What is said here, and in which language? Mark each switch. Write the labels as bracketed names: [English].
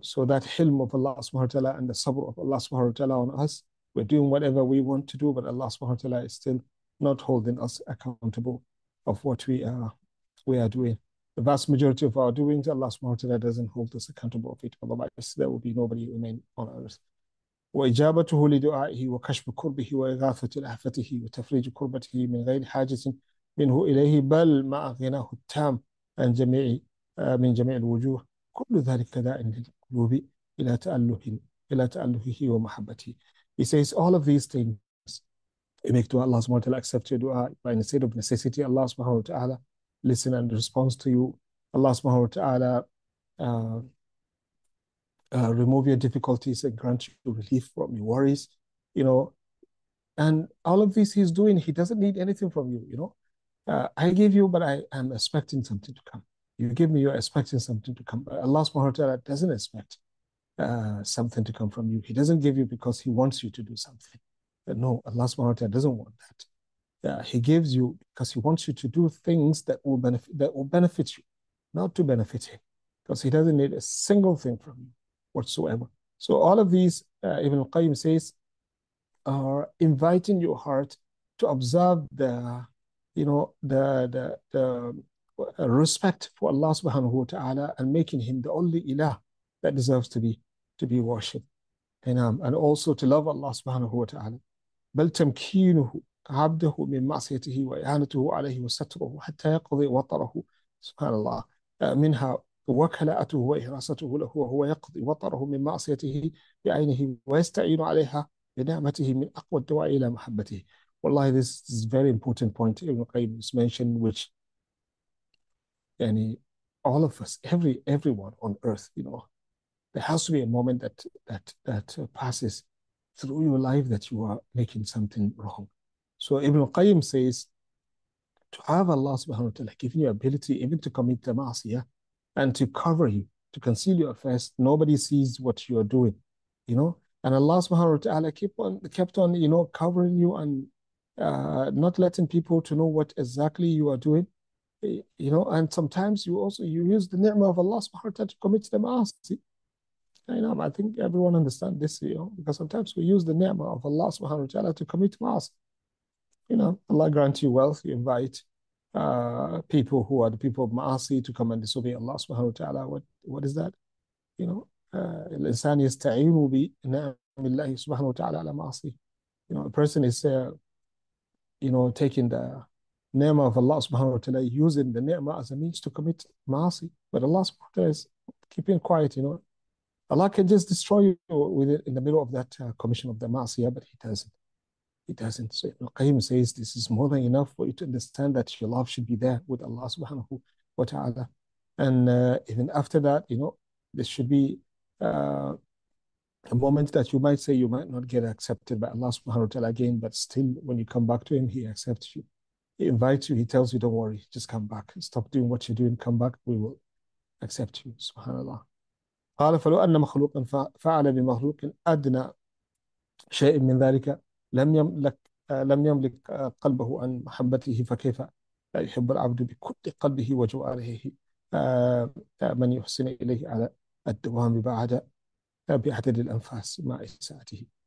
[English] So that hilm of Allah subhanahu wa ta'ala and the sabr of Allah subhanahu wa ta'ala on us, we're doing whatever we want to do, but Allah subhanahu wa ta'ala is still not holding us accountable of what we are doing. The vast majority of our doings, Allah subhanahu wa ta'ala doesn't hold us accountable of it. Otherwise, there will be nobody remain on earth. [Arabic] وإجابته لدعائه وكشف كربه وإغاثة آفته وتفريج كربته من غير حاجة منه إليه بل مع غناه التام عن جميع من جميع الوجوه كل ذلك داء للقلوب إلى تأله إلى تألهه ومحبته. [English] He says all of these things we make dua, Allah subhanahu wa ta'ala accept your dua by in a state of necessity. Allah subhanahu wa ta'ala listen and responds to you. Allah subhanahu wa ta'ala remove your difficulties and grant you relief from your worries, you know. And all of this he's doing, he doesn't need anything from you, you know. I give you, but I am expecting something to come. You give me, you're expecting something to come. Allah subhanahu wa ta'ala doesn't expect something to come from you. He doesn't give you because he wants you to do something. But no, Allah subhanahu wa ta'ala doesn't want that. He gives you because he wants you to do things that will benefit you, not to benefit him, because he doesn't need a single thing from you whatsoever. So all of these, Ibn al-Qayyim says, are inviting your heart to observe the, you know, the respect for Allah subhanahu wa ta'ala and making him the only ilah that deserves to be worshipped. And also to love Allah subhanahu wa ta'ala. [Arabic] بَلْ تَمْكِينُهُ عَبْدَهُ مِنْ مَعْصِيَتِهِ وَإِعَانَتُهُ عَلَيْهِ وَسَتْرُهُ حَتَّى يَقْضِي وَطَرَهُ سبحان الله منها وكلاءته وإحراسته له وهو يقضي وطره من معصيته بعينه ويستعين عليها بنعمته من أقوى الدواء إلى محبته. [English] والله this is very important point Ibn Qayyim is mentioned, which يعني all of us, everyone on earth, you know, there has to be a moment that passes through your life that you are making something wrong. So Ibn Qayyim says to have Allah subhanahu wa ta'ala giving you ability even to commit the ma'asiyah and to cover you, to conceal your affairs, nobody sees what you are doing, you know. And Allah subhanahu wa ta'ala kept on, you know, covering you and not letting people to know what exactly you are doing, you know. And sometimes you use the ni'mah of Allah subhanahu wa ta'ala to commit the ma'asi. You know, I think everyone understands this, you know, because sometimes we use the ni'mah of Allah subhanahu wa ta'ala to commit ma'asi. You know, Allah grant you wealth, you invite people who are the people of ma'asi to come and disobey Allah subhanahu wa ta'ala. What is that? You know, [Arabic] الإنسان يستعين بنعم الله سبحانه وتعالى على معصي. [English] You know, a person is, you know, taking the ni'mah of Allah subhanahu wa ta'ala, using the ni'mah as a means to commit ma'asi. But Allah subhanahu wa ta'ala is keeping quiet, you know. Allah can just destroy you with it in the middle of that commission of the ma'asi, but he doesn't. He doesn't. So Ibn Qayyim says this is more than enough for you to understand that your love should be there with Allah subhanahu wa ta'ala. And even after that, you know, this should be a moment that you might say you might not get accepted by Allah subhanahu wa ta'ala again, but still when you come back to him, he accepts you. He invites you, he tells you, don't worry, just come back. Stop doing what you're doing, come back, we will accept you. Subhanallah. [Arabic] قال فلو أن مخلوقا فعل بمخلوق أدنى شيء من ذلك لم يملك قلبه عن محبته فكيف يحب العبد بكل قلبه وجواره من يحسن إليه على الدوام بعد بعدد الأنفاس مع إساءته.